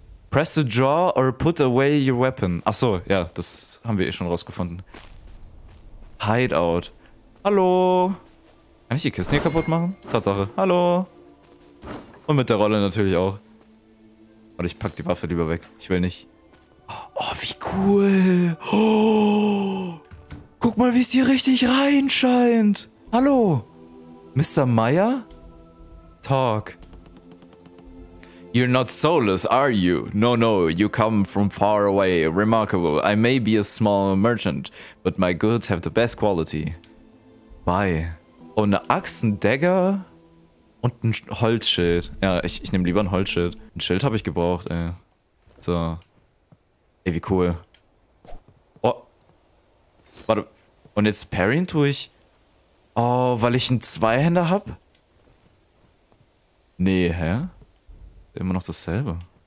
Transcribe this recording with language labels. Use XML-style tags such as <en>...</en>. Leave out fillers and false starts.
<en>Press to draw or put away your weapon.</en> <de>Achso, ja, das haben wir eh schon rausgefunden. Hideout. Hallo. Kann ich die Kisten hier kaputt machen? Tatsache. Hallo. Und mit der Rolle natürlich auch. Warte, ich pack die Waffe lieber weg. Ich will nicht. Oh, wie cool. Oh. Guck mal, wie es hier richtig reinscheint. Hallo. Mr. Meyer? Talk.</de> <en>You're not soulless, are you? No, no, you come from far away. Remarkable. I may be a small merchant, but my goods have the best quality. Bye.</en> <de>Oh, eine Axt, ein Dagger und ein Holzschild. Ja, ich nehme lieber ein Holzschild. Ein Schild habe ich gebraucht, ey. So. Ey, wie cool. Oh. Warte. Und jetzt parryen tue ich. Oh, weil ich einen Zweihänder hab? Nee, hä? Immer noch dasselbe.</de>